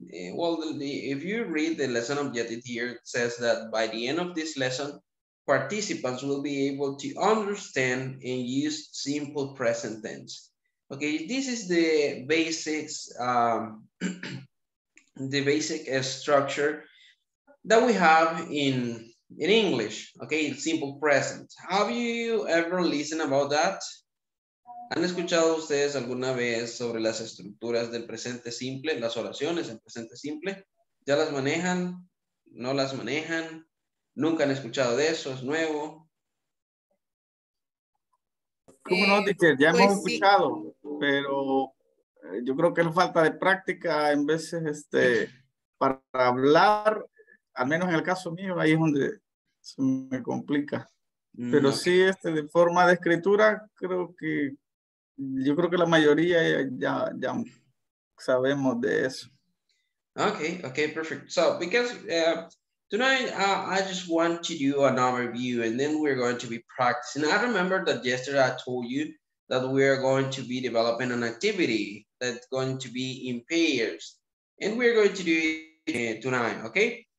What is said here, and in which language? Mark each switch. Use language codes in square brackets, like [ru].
[en] If you read the lesson objective here, it says that by the end of this lesson, participants will be able to understand and use simple present tense. Okay, this is the basics, the basic structure that we have in English. Okay, simple present. Have you ever listened about that? [es] ¿Han escuchado ustedes alguna vez sobre las estructuras del presente simple, las oraciones en presente simple? ¿Ya las manejan? ¿No las manejan? ¿Nunca han escuchado de eso? ¿Es nuevo? ¿Cómo no, teacher? Ya hemos Pues sí. escuchado, pero yo creo que es falta de práctica en veces para hablar, al menos en el caso mío, ahí es donde se me complica. Pero [en] Ok. [es] sí, de forma de escritura, yo creo que la mayoría ya sabemos de eso. [en] Okay, perfect. So, because tonight I just want to do an overview and then we're going to be practicing. I remember that yesterday I told you that we are going to be developing an activity that's going to be in pairs and we're going to do it tonight, okay?